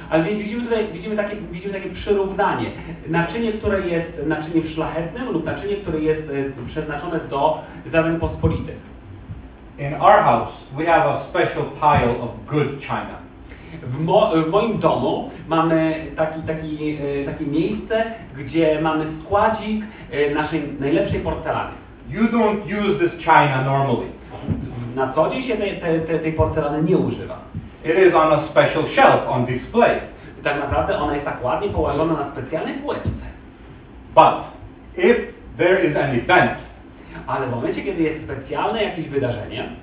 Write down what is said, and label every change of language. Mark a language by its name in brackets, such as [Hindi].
[Polish] Ale więc widzimy tutaj, widzimy takie przyrównanie. Naczynie, które jest naczyniem szlachetnym lub naczynie, które jest przeznaczone do zadań pospolitych. [English] In our house we have a special pile of good china. [Polish] W moim domu mamy takie miejsce, gdzie mamy składzik naszej najlepszej porcelany. [English] You don't use this china normally. [Polish] Na co dzień się tej porcelany nie używa. [English] It is on a special shelf on display. [Polish] Tak naprawdę ona jest tak ładnie położona na specjalnej półeczce. [English] But if there is an event, [Polish] ale w momencie, kiedy jest specjalne jakieś wydarzenie,